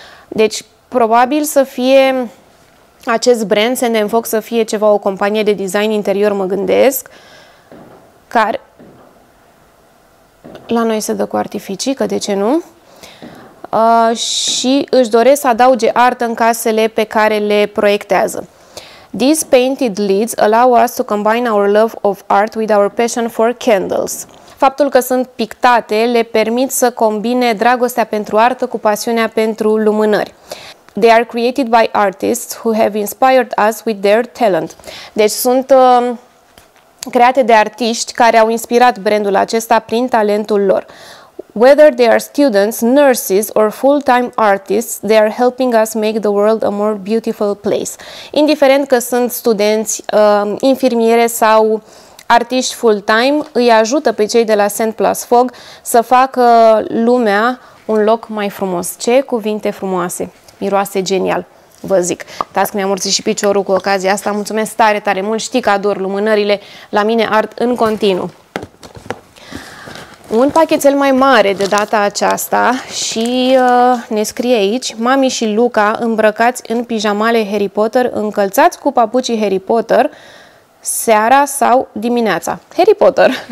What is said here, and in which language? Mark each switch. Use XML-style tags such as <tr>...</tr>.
<ro>Deci, probabil să fie acest brand, Sand & Fog, să fie ceva, o companie de design interior, mă gândesc, care la noi se dă cu artificii, că de ce nu? Și își doresc să adauge artă în casele pe care le proiectează.</ro> <en>These painted lids allow us to combine our love of art with our passion for candles.</en> <ro>Faptul că sunt pictate le permit să combine dragostea pentru artă cu pasiunea pentru lumânări.</ro> <en>They are created by artists who have inspired us with their talent.</en> <ro>Deci sunt create de artiști care au inspirat brandul acesta prin talentul lor.</ro> <en>Whether they are students, nurses or full-time artists, they are helping us make the world a more beautiful place.</en> <ro>Indiferent că sunt studenți, infirmiere sau artiști full-time îi ajută pe cei de la Send Plus Fog să facă lumea un loc mai frumos. Ce cuvinte frumoase! Miroase genial, vă zic. Tați că mi-am urțit și piciorul cu ocazia asta. Mulțumesc tare, tare mult. Știi că ador lumânările. La mine ard în continuu. Un pachetel mai mare de data aceasta și ne scrie aici: Mami și Luca îmbrăcați în pijamale Harry Potter, încălțați cu papucii Harry Potter seara sau dimineața. Harry Potter.</ro>